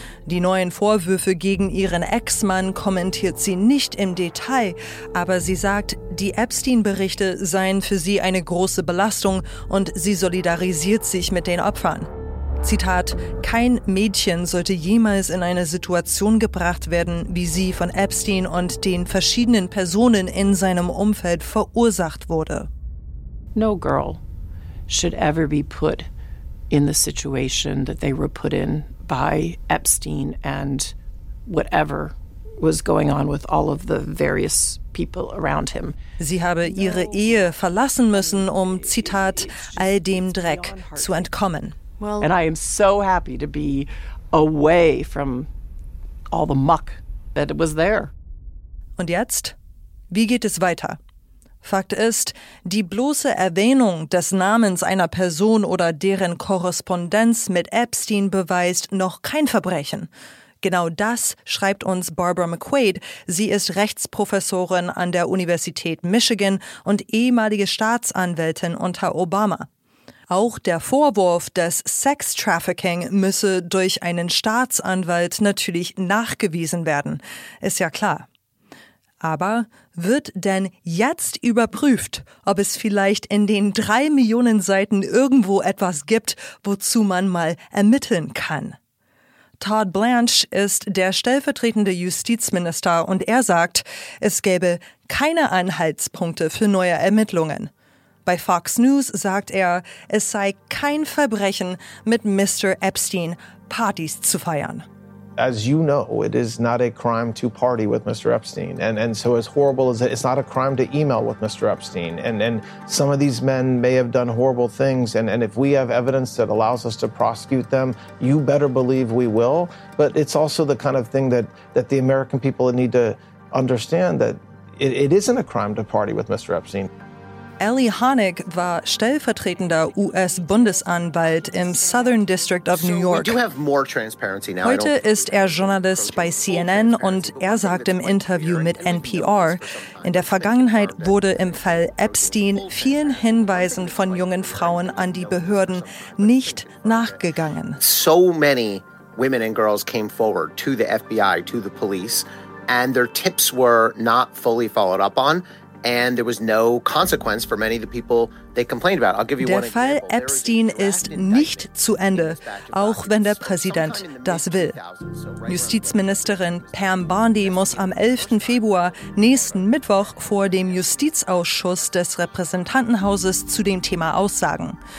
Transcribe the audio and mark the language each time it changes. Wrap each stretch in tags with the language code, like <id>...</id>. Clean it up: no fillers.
<de>Die neuen Vorwürfe gegen ihren Ex-Mann kommentiert sie nicht im Detail, aber sie sagt, die Epstein-Berichte seien für sie eine große Belastung und sie solidarisiert sich mit den Opfern. Zitat, kein Mädchen sollte jemals in eine Situation gebracht werden, wie sie von Epstein und den verschiedenen Personen in seinem Umfeld verursacht wurde.</de> <en>No girl should ever be put in the situation that they were put in by Epstein and whatever was going on with all of the various people around him.</en> <de>Sie habe ihre Ehe verlassen müssen, um, Zitat, all dem Dreck zu entkommen.</de> <en>And I am so happy to be away from all the muck that was there.</en> <de>Und jetzt? Wie geht es weiter? Fakt ist, die bloße Erwähnung des Namens einer Person oder deren Korrespondenz mit Epstein beweist noch kein Verbrechen. Genau das schreibt uns Barbara McQuaid. Sie ist Rechtsprofessorin an der Universität Michigan und ehemalige Staatsanwältin unter Obama. Auch der Vorwurf des Sex-Trafficking müsse durch einen Staatsanwalt natürlich nachgewiesen werden, ist ja klar. Aber wird denn jetzt überprüft, ob es vielleicht in den 3 Millionen Seiten irgendwo etwas gibt, wozu man mal ermitteln kann? Todd Blanche ist der stellvertretende Justizminister und er sagt, es gäbe keine Anhaltspunkte für neue Ermittlungen. Bei Fox News sagt er, es sei kein Verbrechen, mit Mr. Epstein Partys zu feiern.</de> <en>As you know, it is not a crime to party with Mr. Epstein. And so as horrible as it's not a crime to email with Mr. Epstein. And some of these men may have done horrible things. And if we have evidence that allows us to prosecute them, you better believe we will. But it's also the kind of thing that the American people need to understand that it isn't a crime to party with Mr. Epstein.</en> <de>Ellie Honig war stellvertretender US-Bundesanwalt im Southern District of New York. Heute ist er Journalist bei CNN und er sagt im Interview mit NPR, in der Vergangenheit wurde im Fall Epstein vielen Hinweisen von jungen Frauen an die Behörden nicht nachgegangen.</de> <en>So many women and girls came forward to the FBI, to the police, and their tips were not fully followed up on. And there was no consequence for many of the people they complained about. I'll give you</en> <de>der</de> <en>one</en> <de>Fall</de> <en>example.</en> <de>Epstein ist nicht zu Ende, auch wenn der Präsident das will. Justizministerin Pam Bondi muss am 11. Februar nächsten Mittwoch vor dem Justizausschuss des Repräsentantenhauses zu dem Thema aussagen.</de>